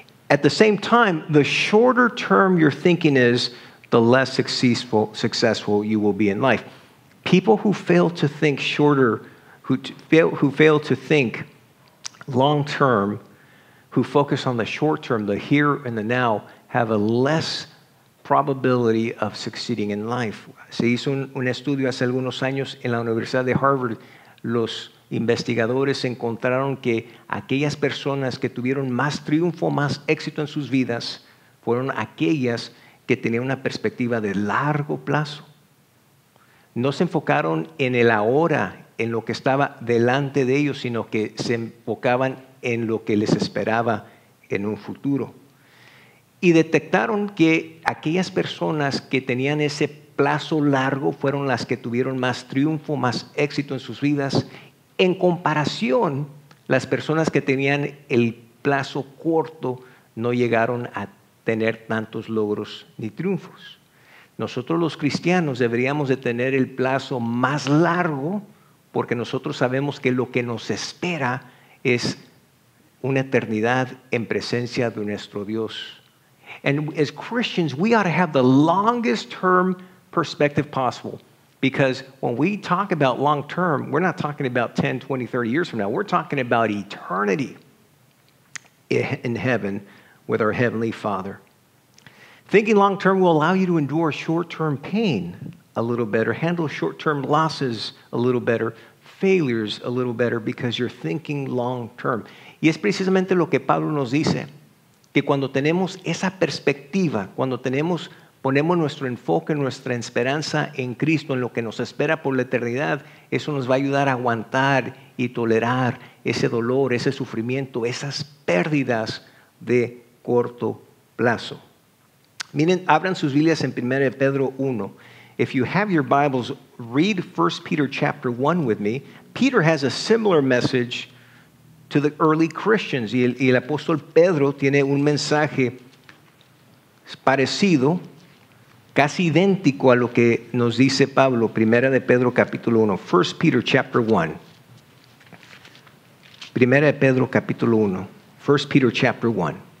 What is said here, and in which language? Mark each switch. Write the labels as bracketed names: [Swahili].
[English] At the same time, the shorter term your thinking is, the less successful you will be in life. People who fail to think shorter, who fail to think long-term, who focus on the short-term, the here and the now, have a less probability of succeeding in life. [Spanish] Se hizo un estudio hace algunos años en la Universidad de Harvard. Los investigadores encontraron que aquellas personas que tuvieron más triunfo, más éxito en sus vidas, fueron aquellas que tenían una perspectiva de largo plazo. No se enfocaron en el ahora, en lo que estaba delante de ellos, sino que se enfocaban en lo que les esperaba en un futuro. Y detectaron que aquellas personas que tenían ese plazo largo fueron las que tuvieron más triunfo, más éxito en sus vidas. En comparación, las personas que tenían el plazo corto no llegaron a tener tantos logros ni triunfos. Nosotros los cristianos deberíamos de tener el plazo más largo porque nosotros sabemos que lo que nos espera es una eternidad en presencia de nuestro Dios. [English] And as Christians, we ought to have the longest term perspective possible. Because when we talk about long term, we're not talking about 10, 20, 30 years from now. We're talking about eternity in heaven with our Heavenly Father. Thinking long term will allow you to endure short term pain a little better, handle short term losses a little better, failures a little better, because you're thinking long term. [Spanish] Y es precisamente lo que Pablo nos dice. Que cuando tenemos esa perspectiva, cuando tenemos, ponemos nuestro enfoque, nuestra esperanza en Cristo, en lo que nos espera por la eternidad, eso nos va a ayudar a aguantar y tolerar ese dolor, ese sufrimiento, esas pérdidas de corto plazo. Miren, abran sus Biblias en 1 Pedro 1. [English] If you have your Bibles, read 1 Peter chapter 1 with me. Peter has a similar message to the early Christians. [Spanish] Y el apóstol Pedro tiene un mensaje parecido, casi idéntico a lo que nos dice Pablo, Primera de Pedro capítulo 1, [English] 1 Peter chapter 1. [Spanish] Primera de Pedro capítulo 1, [English] 1 Peter chapter 1.